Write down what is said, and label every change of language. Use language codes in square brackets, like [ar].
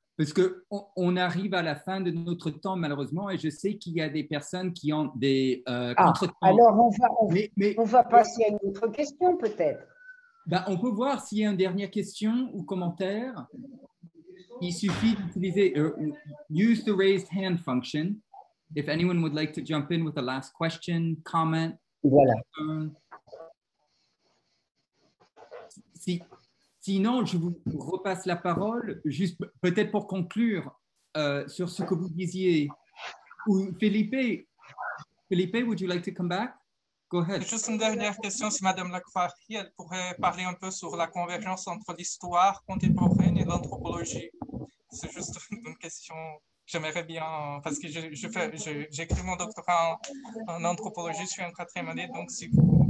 [fr] Parce qu'on arrive à la fin de notre temps, malheureusement, et je sais qu'il y a des personnes qui ont des contre-temps. Alors, on va passer à une autre question, peut-être. Ben, on peut voir s'il y a une dernière question ou commentaire. Il suffit d'utiliser [en] use the raised hand function. If anyone would like to jump in with the last question, comment. [fr] Voilà. Sinon, je vous repasse la parole, juste peut-être pour conclure sur ce que vous disiez. [en] Ou Felipe, would you like to come back? Go ahead. [fr] Juste une dernière question, si Madame Lacroix, elle pourrait parler un peu sur la convergence entre l'histoire contemporaine et l'anthropologie. C'est juste une question. J'aimerais bien, parce que j'écris mon doctorat en anthropologie, je suis en quatrième année, donc si vous...